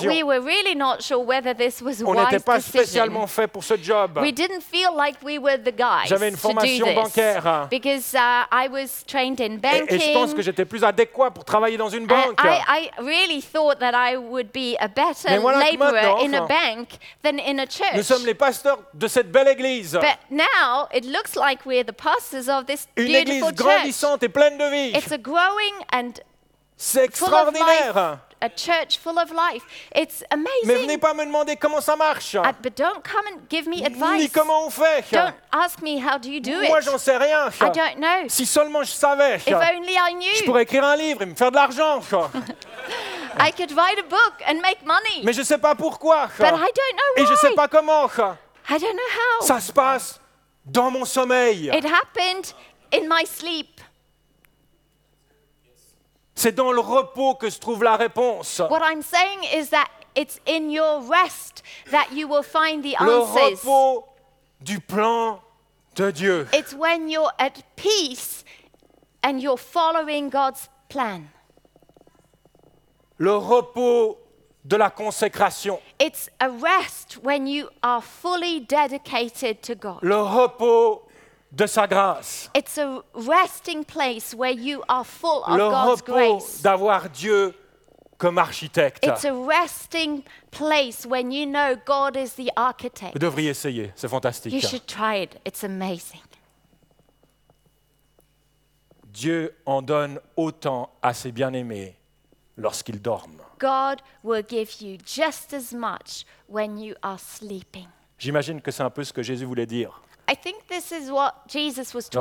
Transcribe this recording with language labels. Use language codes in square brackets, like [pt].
[en] But we were really not sure whether this was a wise decision. [fr] On n'était pas spécialement fait pour ce job. [en] We didn't feel like we were the guys. [fr] J'avais une formation bancaire. [en] Because I was trained in banking. [fr] Je pense que j'étais plus adéquat pour travailler dans une banque. [en] I really thought that I would be a better laborer in a bank than in a church. [fr] Nous sommes les pasteurs de cette belle église. [en] But now it looks like we're the pastors of this beautiful church. [fr] Une église grandissante et pleine de vie. [en] It's a growing and [fr] c'est extraordinaire. [en] A church full of life. It's amazing. [fr] Mais venez pas me demander comment ça marche. [en] But don't come and give me advice. [fr] Ni comment on fait. [en] Don't ask me how do you do [fr] Moi, [en] it. [fr] J'en sais rien. [en] I don't know. [fr] Si seulement je savais. [en] If only I knew. [fr] Je pourrais écrire un livre et me faire de l'argent. [en] I could write a book and make money. [fr] Mais je sais pas pourquoi. [en] But I don't know why. [fr] Et je sais pas comment. [en] I don't know how. [fr] Ça se passe dans mon sommeil. [en] It happened in my sleep. [fr] C'est dans le repos que se trouve la réponse. [en] What I'm saying is that it's in your rest that you will find the [fr] le [en] answers. [fr] Le repos du plan de Dieu. [en] It's when you're at peace and you're following God's plan. [fr] Le repos de la consécration. [en] It's a rest when you are fully dedicated to God. [fr] Le repos de sa grâce. [en] It's a resting place where you are full of [fr] le [en] God's [fr] repos [en] grace. [fr] D'avoir Dieu comme architecte. [en] It's a resting place when you know God is the architect. [fr] Vous devriez essayer, c'est fantastique. [en] You should try it, it's amazing. [fr] Dieu en donne autant à ses bien-aimés lorsqu'ils dorment. [en] God will give you just as much when you are sleeping. [fr] J'imagine que c'est un peu ce que Jésus voulait dire. [en] I think this is what Jesus was talking